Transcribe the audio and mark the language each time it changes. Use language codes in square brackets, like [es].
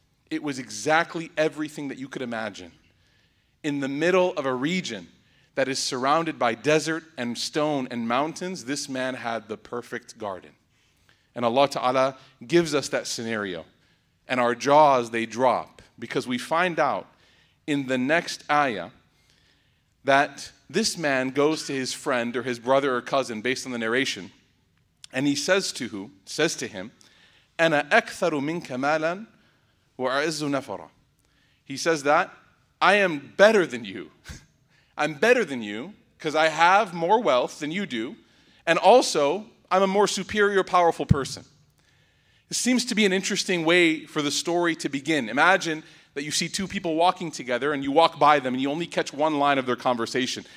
[en] It was exactly everything that you could imagine. In the middle of a region that is surrounded by desert and stone and mountains, this man had the perfect garden. And Allah Ta'ala gives us that scenario. And our jaws, they drop. Because we find out in the next ayah that this man goes to his friend or his brother or cousin based on the narration. And he says to him, [ar] أَنَا أَكْثَرُ مِنْكَ مَالًا وَأَعِزُّ نَفَرًا. [en] He says that, I am better than you. I'm better than you, because I have more wealth than you do, and also I'm a more superior, powerful person. It seems to be an interesting way for the story to begin. Imagine that you see two people walking together and you walk by them and you only catch one line of their conversation.